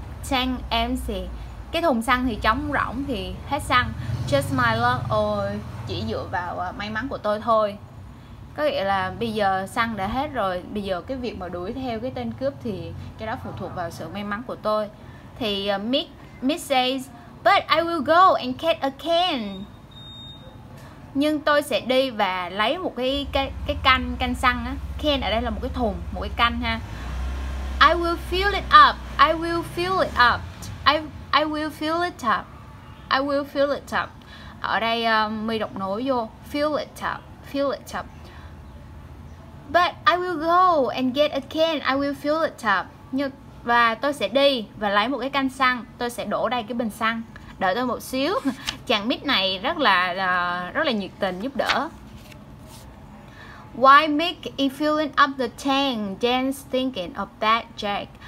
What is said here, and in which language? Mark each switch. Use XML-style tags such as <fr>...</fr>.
<en>Tank empty,</en> <vi>cái thùng xăng thì trống rỗng thì hết xăng.</vi> <en>Just my luck,</en> <vi>chỉ dựa vào may mắn của tôi thôi. Có nghĩa là bây giờ xăng đã hết rồi, bây giờ cái việc mà đuổi theo cái tên cướp thì cái đó phụ thuộc vào sự may mắn của tôi. Thì Mick says,</vi> <en>But I will go and get a can.</en> <vi>Nhưng tôi sẽ đi và lấy một cái can, can xăng á. Can ở đây là một cái thùng, một cái can ha.</vi> <en>I will fill it up. I will fill it up. I will fill it up. I will fill it up.</en> <vi>Ở đây mình đọc nối vô</vi> <en>fill it up. Fill it up. But I will go and get a can. I will fill it up.</en> <vi>Và tôi sẽ đi và lấy một cái can xăng. Tôi sẽ đổ đây cái bình xăng. Đợi tôi một xíu. Chàng mít này rất là nhiệt tình giúp đỡ.</vi> <en>Why make it filling up the tank? Dan's thinking of that, Jack.</en>